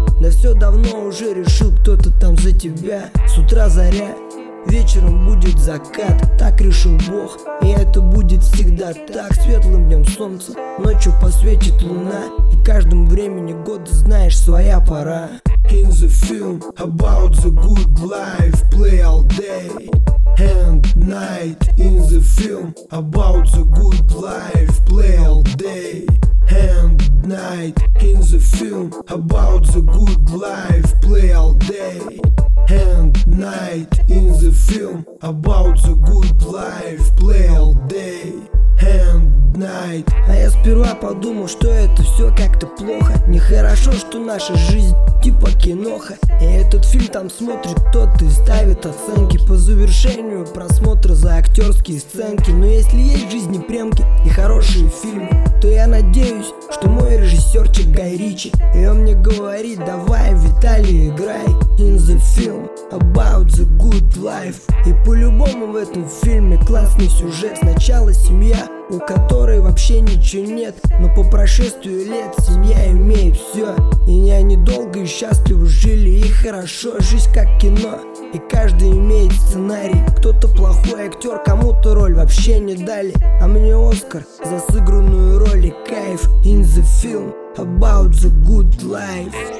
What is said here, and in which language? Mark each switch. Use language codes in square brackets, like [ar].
[ru] Да все давно уже решил кто-то там за тебя. С утра заря, вечером будет закат. Так решил Бог, и это будет всегда так. Светлым днем солнце, ночью посветит луна. И каждым времени года знаешь, своя пора. [en] In the film about the good life, play all day and night. In the film about the good life, play all day and night. In the film about the good life, play all day and night. In the film about the good life, play all day and night. [ru] А я сперва подумал, что это все как-то плохо. Нехорошо, что наша жизнь типа киноха. И этот фильм там смотрит тот и ставит оценки по завершению просмотра за актерские сценки. Но если есть в жизни премки и хорошие фильмы, то я надеюсь, что мой режиссерчик Гай Ричи. И он мне говорит: давай, Виталий, играй. [en] In the film about the good life. [ru] И по-любому в этом фильме классный сюжет. Сначала семья, у которой вообще ничего нет, но по прошествию лет семья имеет все. И они долго и счастливо жили, и хорошо. Жизнь как кино, и каждый имеет сценарий. Кто-то плохой актер, кому-то роль вообще не дали, а мне Оскар за сыгранную роль и кайф. [en] In the film about the good life.